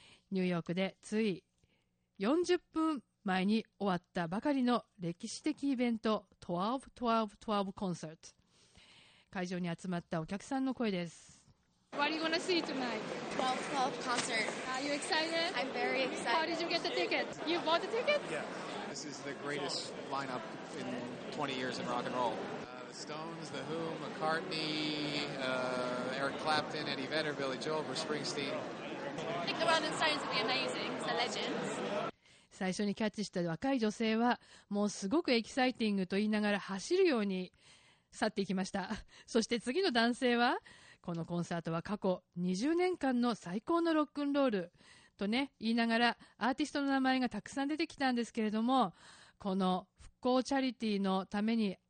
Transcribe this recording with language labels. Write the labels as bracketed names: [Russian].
[Japanese] ニューヨークでつい40分前に終わったばかりの歴史的イベント 12-12-12 Concert. 会場に集まったお客さんの声です。 [English] What do you want to see tonight? 12-12 concert. Are you excited? I'm very excited. How did you get the ticket? You bought the ticket? Yeah. This is the greatest lineup in 20 years in rock and roll. The Stones, The Who, McCartney, Eric Clapton, Eddie Vedder, Billy Joel, Bruce Springsteen. I think the Rolling Stones will be amazing. The legends. [Japanese] 最初にキャッチした若い女性は、もうすごくエキサイティングと言いながら走るように去っていきました。そして次の男性は、このコンサートは過去20年間の最高のロックンロールとね言いながら、アーティストの名前がたくさん出てきたんですけれども、この復興チャリティーのために